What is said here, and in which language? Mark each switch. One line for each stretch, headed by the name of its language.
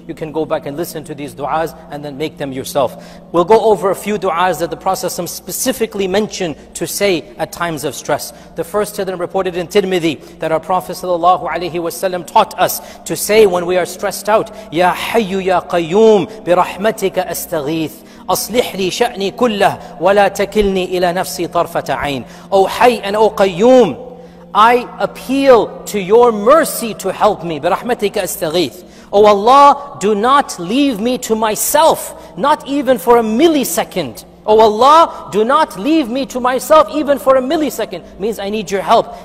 English: You can go back and listen to these du'as and then make them yourself. We'll go over a few du'as that the Prophet specifically mentioned to say at times of stress. The first of them reported in Tirmidhi that our Prophet sallallahu alaihi wasallam taught us to say when we are stressed out,
Arabic: Ya Hayyu Ya Qayyum bi rahmatika astaghith. أصلح لي شأني كله ولا تكلني إلى نفسي طرفة عين.
English: O Hayy and O Qayyum, I appeal to your mercy to help me.
Arabic: بِرَحْمَتِكَ أَسْتَغِيثُ.
English: O Allah, do not leave me to myself, not even for a millisecond. O Allah, do not leave me to myself even for a millisecond. Means I need your help.